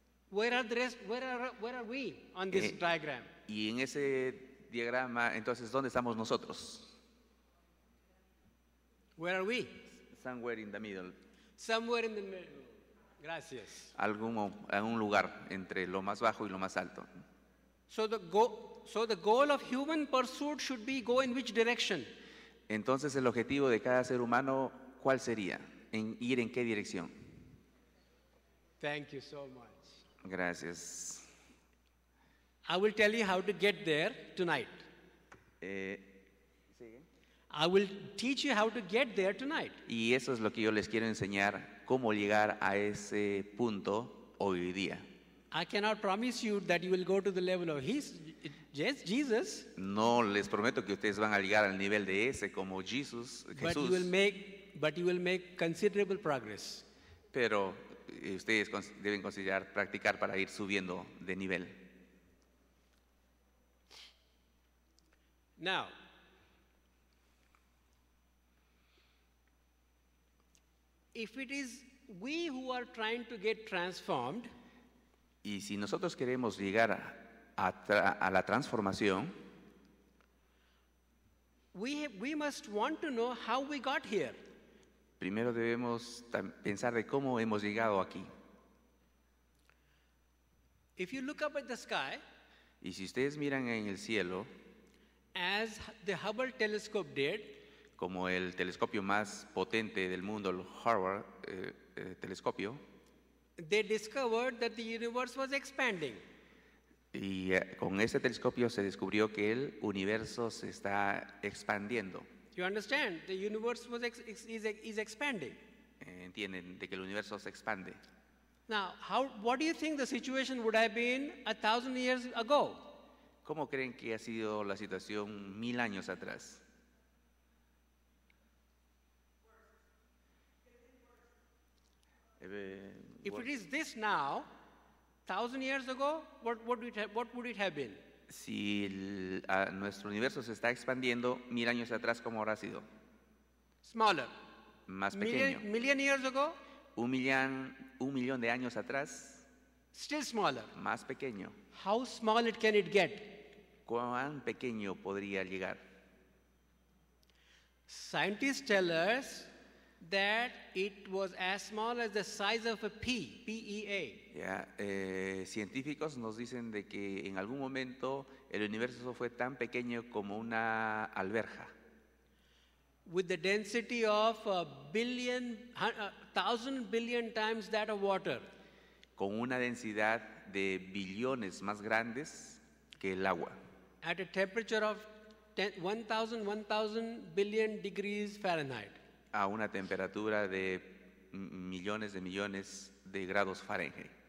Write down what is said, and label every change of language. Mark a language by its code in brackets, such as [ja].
[en] Where are we on this diagram? [es] Y en ese diagrama, entonces, ¿dónde estamos nosotros? [en] Where are we? Somewhere in the middle. Somewhere in the middle. Gracias. [es] Algún lugar entre lo más bajo y lo más alto. [en] So the goal of human pursuit should be go in which direction? [es] Entonces, el objetivo de cada ser humano, ¿cuál sería? ¿Ir en qué dirección? [en] Thank you so much. [es] Gracias. [en] I will tell you how to get there tonight. I will teach you how to get there tonight. [es] Y eso es lo que yo les quiero enseñar, cómo llegar a ese punto hoy día. [en] I cannot promise you that you will go to the level of Jesus. [es] No les prometo que ustedes van a llegar al nivel de ese como Jesús. [en] But you will make considerable progress. [es] Pero ustedes deben considerar practicar para ir subiendo de nivel. [en] Now, if it is we who are trying to get transformed, [es] y si nosotros queremos llegar a la transformación, [en] we must want to know how we got here. [es] Primero debemos pensar de cómo hemos llegado aquí. [en] If you look up at the sky, [es] y si ustedes miran en el cielo, [en] as the Hubble telescope did, [es] como el telescopio más potente del mundo, el Harvard telescopio, [en] they discovered that the universe was expanding. [es] Y con ese telescopio se descubrió que el universo se está expandiendo. [en] You understand? The universe is expanding. [es] Entienden de que el universo se expande. [en] Now, what do you think the situation would have been 1,000 years ago? [es] ¿Cómo creen que ha sido la situación 1,000 años atrás? [en] If it is this now, 1,000 years ago, what would it have been? [es] Si nuestro universo se está expandiendo 1,000 años atrás, ¿cómo habrá sido? [en] Smaller. [es] Más pequeño. [en] Million years ago. [es] Un millón de años atrás. [en] Still smaller. [es] Más pequeño. [en] How small it can it get? [es] ¿Cuán pequeño podría llegar? [en] Scientists tell us that it was as small as the size of a pea, P-E-A. [es] Científicos nos dicen de que en algún momento el universo fue tan pequeño como una alberja. [en] With the density of a billion, 1,000 billion times that of water. [es] Con una densidad de billones más grandes que el agua. [en] At a temperature of 1,000 billion degrees Fahrenheit. [es] A una temperatura de millones de millones de grados Fahrenheit.